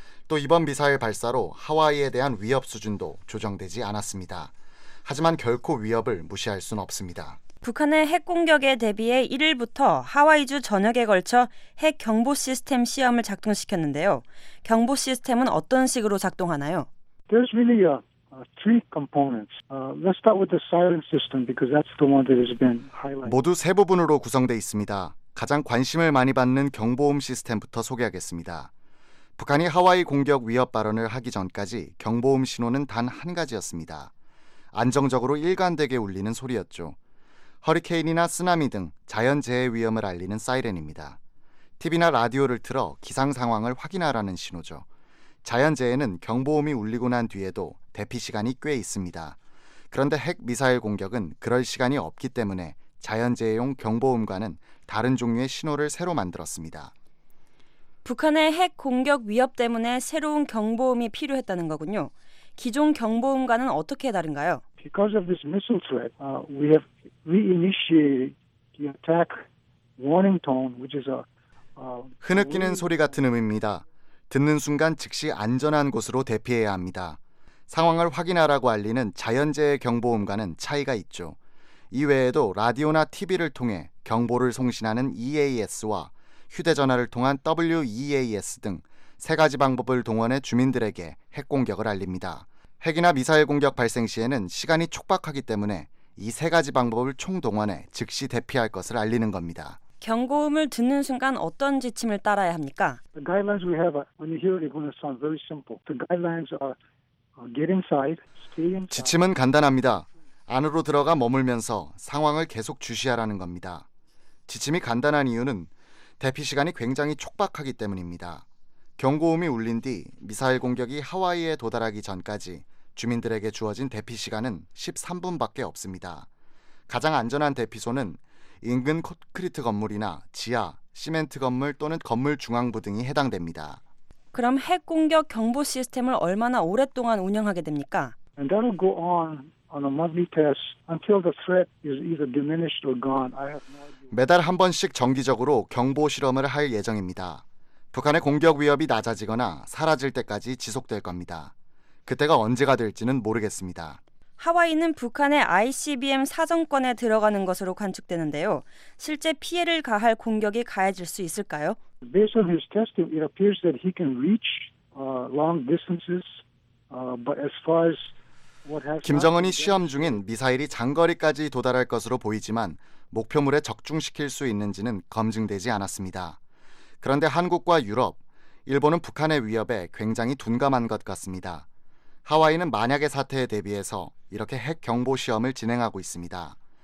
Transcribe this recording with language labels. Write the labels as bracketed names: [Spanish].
[Korean] 또 이번 미사일 발사로 하와이에 대한 위협 수준도 조정되지 않았습니다. 하지만 결코 위협을 무시할 순 없습니다. 북한의 핵 공격에 대비해 1일부터 하와이주 전역에 걸쳐 핵 경보 시스템 시험을 작동시켰는데요. 경보 시스템은 어떤 식으로 작동하나요? [English] There's really a three components. Let's start with the siren system because that's the one that has been highlighted. [Korean] 모두 세 부분으로 구성돼 있습니다. 가장 관심을 많이 받는 경보음 시스템부터 소개하겠습니다. 북한이 하와이 공격 위협 발언을 하기 전까지 경보음 신호는 단 한 가지였습니다. 안정적으로 일관되게 울리는 소리였죠. 허리케인이나 쓰나미 등 자연재해 위험을 알리는 사이렌입니다. TV나 라디오를 틀어 기상 상황을 확인하라는 신호죠. 자연재해는 경보음이 울리고 난 뒤에도 대피 시간이 꽤 있습니다. 그런데 핵미사일 공격은 그럴 시간이 없기 때문에 자연재해용 경보음과는 다른 종류의 신호를 새로 만들었습니다. 북한의 핵 공격 위협 때문에 새로운 경보음이 필요했다는 거군요. 기존 경보음과는 어떻게 다른가요? [English] Because of this missile threat, we have reinitiated the attack warning tone, which is a [Korean] 흐느끼는 소리 같은 음입니다. 듣는 순간 즉시 안전한 곳으로 대피해야 합니다. 상황을 확인하라고 알리는 자연재해 경보음과는 차이가 있죠. 이외에도 라디오나 TV를 통해 경보를 송신하는 EAS와 휴대전화를 통한 WEAS 등 세 가지 방법을 동원해 주민들에게 핵 공격을 알립니다. 핵이나 미사일 공격 발생 시에는 시간이 촉박하기 때문에 이 세 가지 방법을 총동원해 즉시 대피할 것을 알리는 겁니다. 경고음을 듣는 순간 어떤 지침을 따라야 합니까? [English] The guidelines we have when you hear it, it's going to sound very simple. The guidelines are get inside, stay inside. [Korean] 지침은 간단합니다. 안으로 들어가 머물면서 상황을 계속 주시하라는 겁니다. 지침이 간단한 이유는 대피 시간이 굉장히 촉박하기 때문입니다. 경고음이 울린 뒤 미사일 공격이 하와이에 도달하기 전까지 주민들에게 주어진 대피 시간은 13분밖에 없습니다. 가장 안전한 대피소는 인근 콘크리트 건물이나 지하, 시멘트 건물 또는 건물 중앙부 등이 해당됩니다. 그럼 핵 공격 경보 시스템을 얼마나 오랫동안 운영하게 됩니까? [English] And that'll go on a monthly test until the threat is either diminished or gone. I have no idea. [Korean] 매달 한 번씩 정기적으로 경보 실험을 할 예정입니다. 북한의 공격 위협이 낮아지거나 사라질 때까지 지속될 겁니다. 그때가 언제가 될지는 모르겠습니다. 하와이는 북한의 ICBM 사정권에 들어가는 것으로 관측되는데요. 실제 피해를 가할 공격이 가해질 수 있을까요? [English] Based on his testing, it appears that he can reach long distances, but as far as [Korean] 김정은이 시험 중인 미사일이 장거리까지 도달할 것으로 보이지만 목표물에 적중시킬 수 있는지는 검증되지 않았습니다. 그런데 한국과 유럽, 일본은 북한의 위협에 굉장히 둔감한 것 같습니다. 하와이는 만약의 사태에 대비해서 이렇게 핵 경보 시험을 진행하고 있습니다.